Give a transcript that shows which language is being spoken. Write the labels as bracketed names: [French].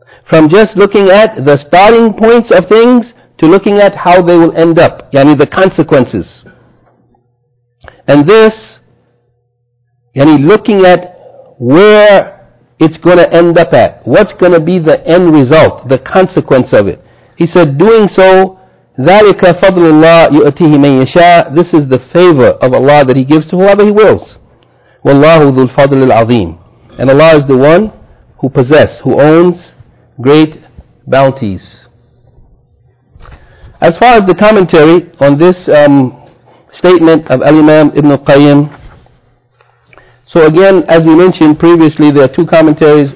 [English] From just looking at the starting points of things to looking at how they will end up, yani the consequences. And this, yani looking at where it's going to end up at, what's going to be the end result, the consequence of it. He said, doing so, [Arabic] ذَلِكَ فَضْلُ اللَّهِ يُؤْتِهِ مَنْ يَشَاءُ. [English] This is the favor of Allah that He gives to whoever He wills. [Arabic] وَاللَّهُ ذُو الْفَضْلِ الْعَظِيمِ. [English] And Allah is the one who possesses, who owns great bounties. As far as the commentary on this statement of Al-Imam Ibn Qayyim, so again, as we mentioned previously, there are two commentaries.